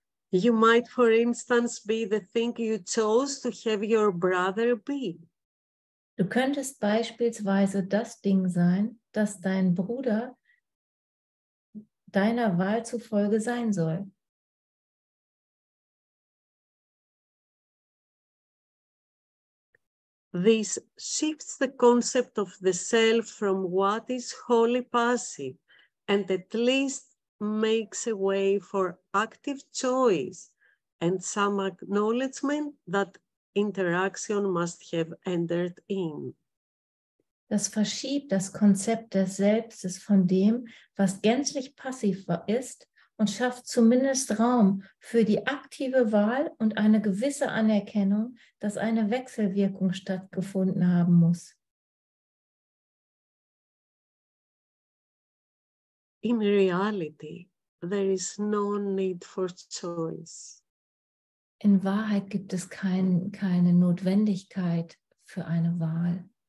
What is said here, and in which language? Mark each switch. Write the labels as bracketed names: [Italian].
[English] You might, for instance, be the thing you chose to have your brother be. [German] Du könntest beispielsweise das Ding sein, das dein Bruder deiner Wahl zufolge sein soll. [English] This shifts the concept of the self from what is wholly passive and at least makes a way for active choice and some acknowledgement that interaction must have entered in. [German] Das verschiebt das Konzept des Selbstes von dem, was gänzlich passiv ist, und schafft zumindest Raum für die aktive Wahl und eine gewisse Anerkennung, dass eine Wechselwirkung stattgefunden haben muss. [English] In reality, there is no need for choice. [German] In Wahrheit gibt es keine Notwendigkeit für eine Wahl.